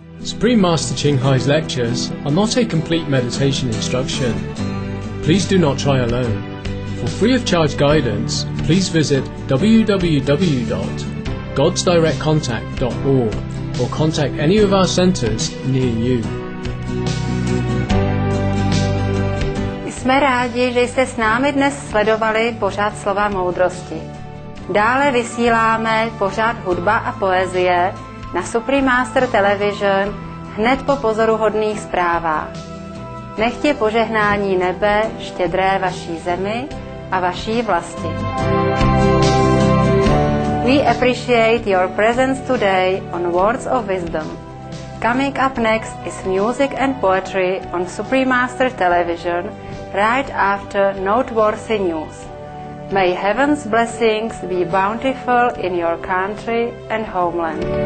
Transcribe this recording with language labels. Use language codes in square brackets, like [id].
[en] Supreme Master Ching Hai's lectures are not a complete meditation instruction. Please do not try alone. For free of charge guidance, please visit www.godsdirectcontact.org or contact any of our centers near you. [cs] Jsme rádi, že jste s námi dnes sledovali pořad Slova moudrosti. Dále vysíláme pořad Hudba a poezie na Supreme Master Television hned po pozoruhodných zprávách. Nech tě požehnání nebe štědré vaší zemi a vaší vlasti. [en] We appreciate your presence today on Words of Wisdom. Coming up next is music and poetry on Supreme Master Television right after Noteworthy News. May heaven's blessings be bountiful in your country and homeland.